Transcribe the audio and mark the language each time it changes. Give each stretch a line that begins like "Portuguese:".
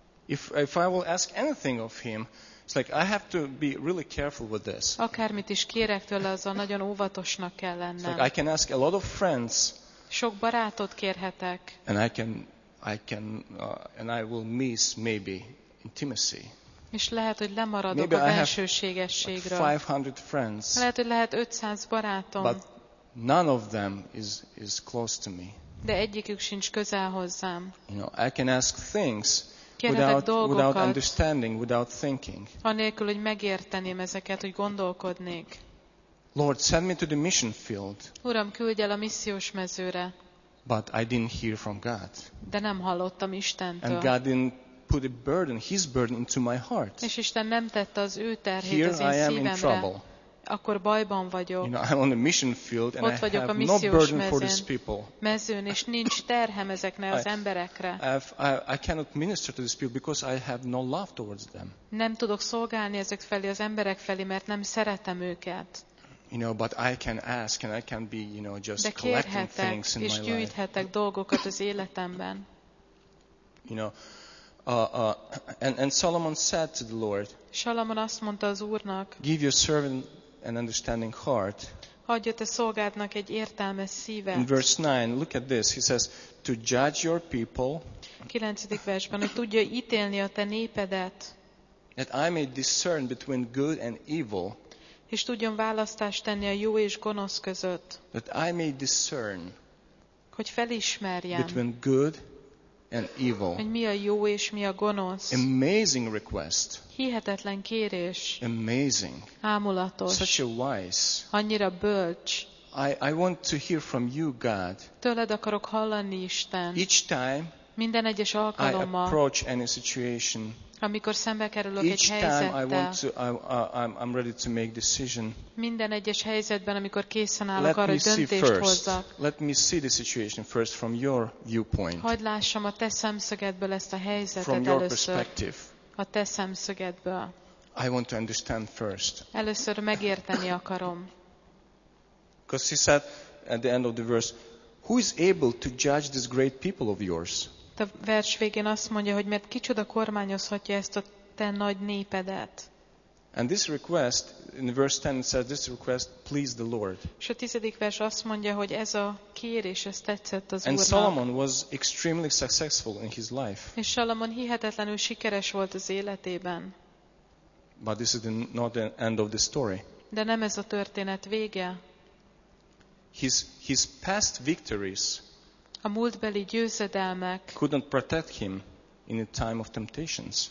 English: If I will ask anything of him, it's like I have to be really careful with this.
Hungarian: Akármit is kérek tőle, azzal nagyon óvatosnak kell lennem.
English: It's like I can ask a lot of friends.
Hungarian: Sok barátot kérhetek.
English: And I will miss maybe intimacy.
Hungarian: És lehet, hogy lemaradok
English: maybe
Hungarian: a belsőségességről.
English: Maybe I have 500 friends.
Hungarian: Lehet, hogy lehet 500 barátom.
English: But none of them is close to me.
Hungarian: De egyikük sincs közel hozzám.
English: You know, I can ask things without understanding, without thinking.
Hungarian: Anélkül, hogy megérteném ezeket, hogy gondolkodnék.
English: Lord, send me to the mission field.
Hungarian: Uram, küldj el a missziós mezőre.
English: But I didn't hear from God.
Hungarian: De nem hallottam Istentől.
English: And God didn't put a burden, His burden into my heart.
Hungarian: És Isten nem tette az ő terhét
English: Here
Hungarian: az én
English: I am
Hungarian: szívemre.
English: In trouble.
Hungarian: Akkor bajban vagyok.
English: You know, I'm on a mission field and
Hungarian: ott vagyok
English: I have
Hungarian: a missziós
English: no burden
Hungarian: mezőn,
English: for these people.
Hungarian: Mezőn, és nincs terhem ezeknek az emberekre.
English: I cannot minister to these people because I have no love towards them.
Hungarian: Nem tudok szolgálni ezek felé az emberek felé, mert nem szeretem őket.
English: You know, but I can ask and I can be, you know, just
Hungarian: de
English: collecting things in my life.
Hungarian: És gyűjthetek dolgokat az életemben.
English: You know, and Solomon said to the Lord.
Hungarian: Salomon azt mondta az Úrnak.
English: Give your servant an understanding heart.
Hungarian: Adja te szolgádnak egy értelmes szívet.
English: In verse 9, look at this. He says, to judge your people.
Hungarian: 9. versben, hogy tudja ítélni a te népedet.
English: That I may discern between good and evil.
Hungarian: És tudjon választást tenni a jó és gonosz között.
English: That I may discern.
Hungarian: Hogy felismerjem.
English: Between good and evil.
Hungarian: Hogy mi a jó és mi a gonosz.
English: Amazing request.
Hungarian: Hihetetlen kérés.
English: Amazing.
Hungarian: Ámulatos.
English: Such a wise.
Hungarian: Annyira bölcs.
English: I want to hear from you, God.
Hungarian: Tőled akarok hallani, Isten.
English: Each time.
Hungarian: Minden egyes alkalommal.
English: I approach any situation.
Hungarian: Amikor szembe kerülök
English: each
Hungarian: egy helyzettel.
English: Each time I want to, I'm ready to make decision.
Hungarian: Minden egyes helyzetben, amikor készen állok arra, hogy döntést hozzak.
English: Let me see the situation first from your viewpoint.
Hungarian: Hadd lássam a te szemszögedből ezt a helyzetet
English: from your
Hungarian: először.
English: Perspective.
Hungarian: A te szemszögedből.
English: I want to understand first.
Hungarian: Először megérteni akarom.
English: Because he said at the end of the verse, who is able to judge this great people of yours?
Hungarian: A vers végén azt mondja, hogy mert kicsoda kormányozhatja ezt a te nagy népedet.
English: And this request in verse 10 says this request please the Lord.
Hungarian: És a 10. vers azt mondja, hogy ez a kérés ez tetszett az Úrnak.
English: And Solomon was extremely successful in his life.
Hungarian: És Salomon hihetetlenül sikeres volt az életében.
English: But this is not the end of the story.
Hungarian: De nem ez a történet vége.
English: His past victories.
Hungarian: A múltbeli győzedelmek
English: could not protect him in a time of temptations.